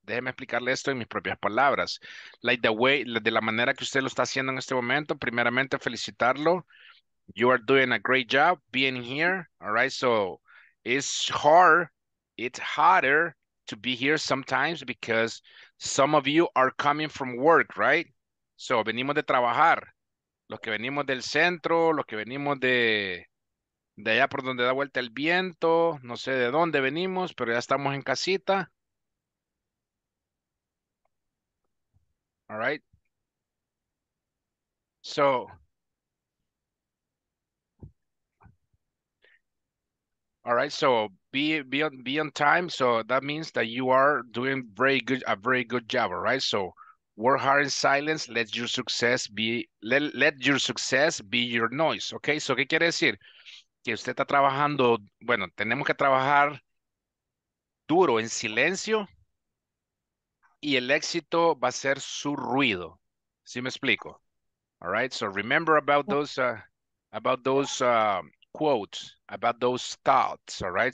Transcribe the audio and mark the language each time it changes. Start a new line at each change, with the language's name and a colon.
Spanish: Déjeme explicarle esto en mis propias palabras.
English: Like the way,
Spanish: de la manera que usted lo está haciendo en este momento, primeramente felicitarlo.
English: You are doing a great job being here, all right? So it's harder to be here sometimes because some of you are coming from work, right?
Spanish: So venimos de trabajar. Los que venimos del centro, los que venimos de allá por donde da vuelta el viento, no sé de dónde venimos, pero ya estamos en casita.
English: All right? So all right, so be on time. So that means that you are doing a very good job. All right, so work hard in silence. Let your success be your noise.
Spanish: Okay, so ¿qué quiere decir? Que usted está trabajando. Bueno, tenemos que trabajar duro en silencio y el éxito va a ser su ruido. ¿Sí me explico?
English: All right, so remember about those thoughts, all right?